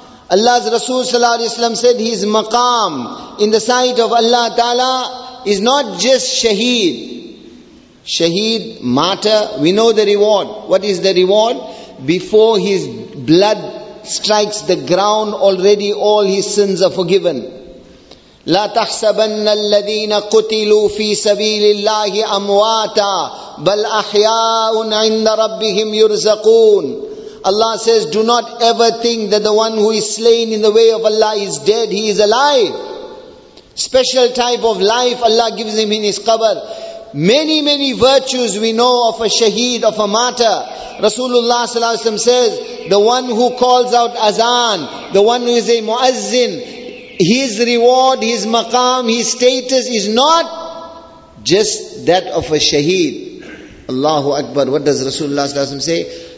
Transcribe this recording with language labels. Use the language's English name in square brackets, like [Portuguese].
[English] Allah's Rasul sallallahu alayhi wa sallam said his maqam in the sight of Allah ta'ala is not just shaheed. Shaheed, martyr, we know the reward. What is the reward? Before his blood strikes the ground, already all his sins are forgiven. [Arabic] لا تحسبن الذين قتلوا في سبيل الله أمواتا بل أحياء عند ربهم يرزقون. [English] Allah says, do not ever think that the one who is slain in the way of Allah is dead, he is alive. Special type of life Allah gives him in his qabr. Many, many virtues we know of a shaheed, of a martyr. Rasulullah sallallahu alaihi wasallam says, the one who calls out azan, the one who is a muazzin, his reward, his maqam, his status is not just that of a shaheed. Allahu Akbar. What does Rasulullah sallallahu alaihi wasallam say?